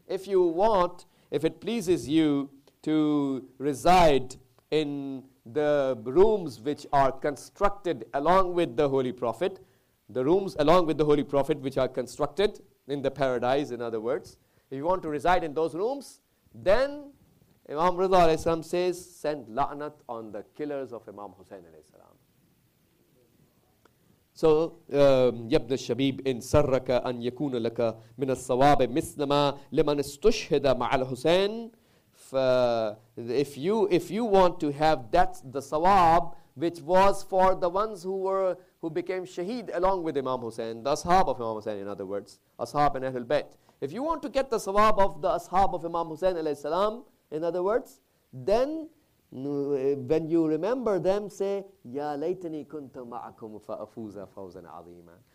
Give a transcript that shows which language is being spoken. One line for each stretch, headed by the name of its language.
English: If you want, if it pleases you to reside in the rooms which are constructed along with the Holy Prophet, the rooms along with the Holy Prophet which are constructed in the paradise, in other words, if you want to reside in those rooms, then Imam Ridha alayhi salam says, send la'nat on the killers of Imam Husayn alayhi salam. So,
Arabic: يبن الشبيب إن سرك أن يكون لك من الصواب مثلما لمن استشهد مع الحسين.
English: If you want to have that, the sawab which was for the ones who became shaheed along with Imam Hussein, the ashab of Imam Hussein, in other words, ashab and Ahlul Bayt. If you want to get the sawab of the ashab of Imam Hussein alayhi salam, in other words, then when you remember them, say,
Arabic: Ya laytani kuntu ma'akum fa'afuza fawzan azeema.